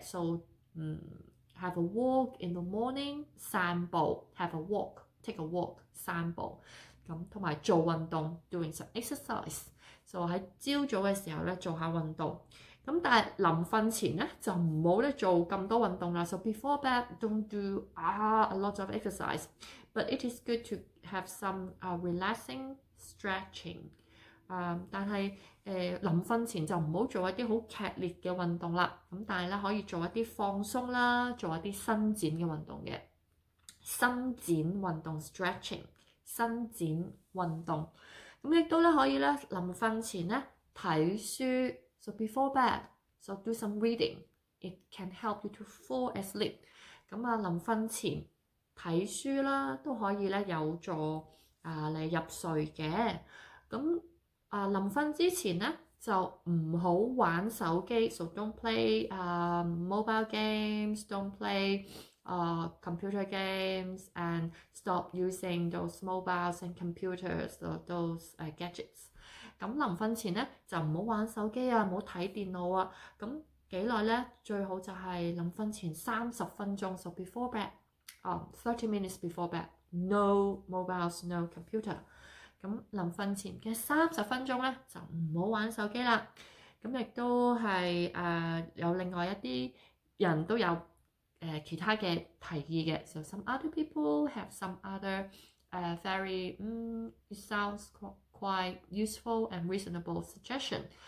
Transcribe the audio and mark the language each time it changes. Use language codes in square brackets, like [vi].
[en] So have a walk in the morning， 散步 ，have a walk，take a walk， 散步。 [yue] 咁同埋做運動 ， [en] doing some exercise。 [yue] So 喺朝早嘅時候咧做下運動。咁但係臨瞓前咧就唔好咧做咁多運動啦。 [en] So before bed don't do a lot of exercise， but it is good to have some relaxing stretching。 [yue] 但係臨瞓前就唔好做一啲好劇烈嘅運動啦。咁但係咧可以做一啲放鬆啦，做一啲伸展嘅運動嘅。伸展運動 stretching， 伸展運動。咁亦都咧可以咧臨瞓前咧睇書 [en] ，so before bed， so do some reading， it can help you to fall asleep。 [yue] 咁啊，臨瞓前睇書啦，都可以咧有助你入睡嘅。咁臨瞓之前咧就唔好玩手機 [en] ，so don't play mobile games， don't play computer games， and stop using those mobiles and computers or those gadgets。 [yue] 咁臨瞓前咧就唔好玩手機啊，唔好睇電腦啊。咁幾耐咧？最好就係臨瞓前30分鐘 [en] ，so before bed， 30 minutes before bed， no mobiles， no computer。 [yue] 咁臨瞓前嘅30分鐘咧，就唔好玩手機啦。咁亦都係有另外一啲人都有其他嘅提議嘅。 [en] So some other people have some other it sounds quite useful and reasonable suggestion。